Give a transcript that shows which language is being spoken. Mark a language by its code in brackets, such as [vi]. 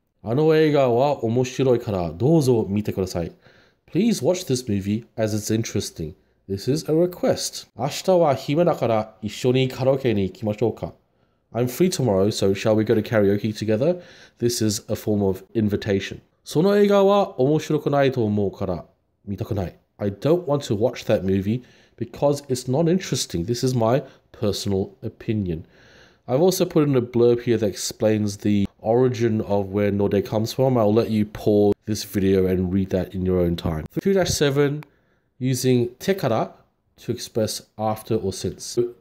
[ja] あの映画は面白いからどうぞ見てください。 [en] Please watch this movie as it's interesting. This is a request. [ja] 明日は暇だから一緒にカラオケに行きましょうか。 [en] I'm free tomorrow, so shall we go to karaoke together? This is a form of invitation. [ja] その映画は面白くないと思うから見たくない。 [en] I don't want to watch that movie because it's not interesting. This is my personal opinion. I've also put in a blurb here that explains the origin of where Norde comes from. I'll let you pause this video and read that in your own time. 2-7, using te kara to express after or since.